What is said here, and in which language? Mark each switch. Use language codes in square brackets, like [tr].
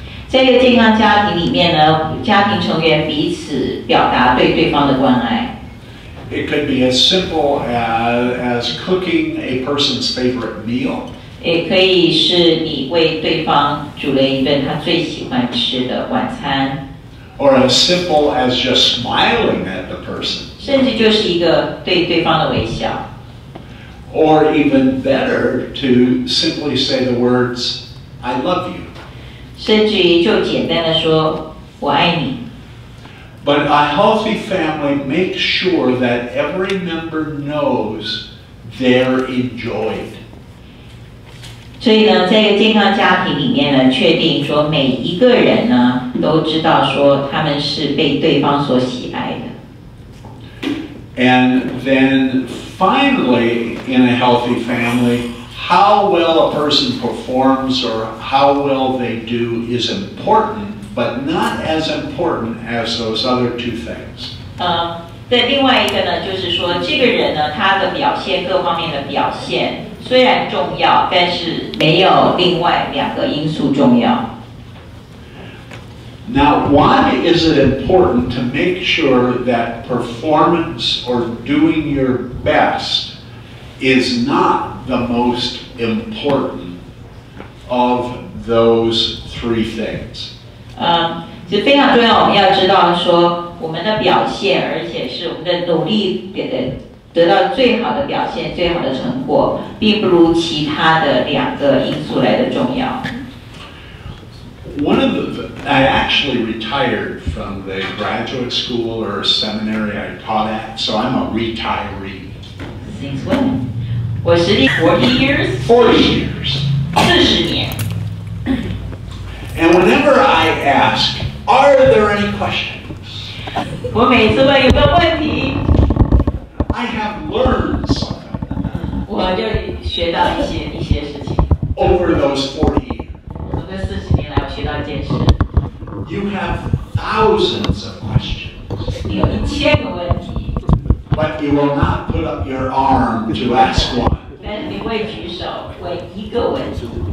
[zh] 在一个健康家庭里面呢，家庭成员彼此表达对对方的关爱。 [en] It could be as simple as cooking a person's favorite meal. [zh] 也可以是你为对方煮了一顿他最喜欢吃的晚餐。 [en] Or as simple as just smiling at the person. [zh] 甚至就是一个对对方的微笑。 [en] Or even better, to simply say the words, I love you. [zh] 甚至于就简单的说，我爱你。 [en] But a healthy family makes sure that every member knows they're enjoyed. [zh] 所以呢，在一个健康家庭里面呢，确定说每一个人呢，都知道说他们是被对方所喜爱的。 [en] And then finally, in a healthy family, how well a person performs or how well they do is important. But not as important as those other two things. [zh] 在另外一个呢，就是说，这个人呢，他的表现各方面的表现虽然重要，但是没有另外两个因素重要。 [en] Now, why is it important to make sure that performance or doing your best is not the most important of those three things? [zh] 是非常重要。我们要知道说，我们的表现，而且是我们的努力得到最好的表现、最好的成果，并不如其他的两个因素来的重要。 [en] One of the, I actually retired from the graduate school or seminary I taught at, so I'm a retiree. Since when? [zh] 我实际 [en] 40 years. 40 years. 40 years. And whenever I ask, are there any questions? [zh] 我每次问有没有问题。 [en] I have learned something. [zh] 我就学到一些事情。 [en] Over those 40 years. [zh] 从这40年来，我学到一件事。 [en] You have thousands of questions. [zh] 你有一千个问题。 [en] But you will not put up your arm to ask one. [zh] 但你会举手问一个问题。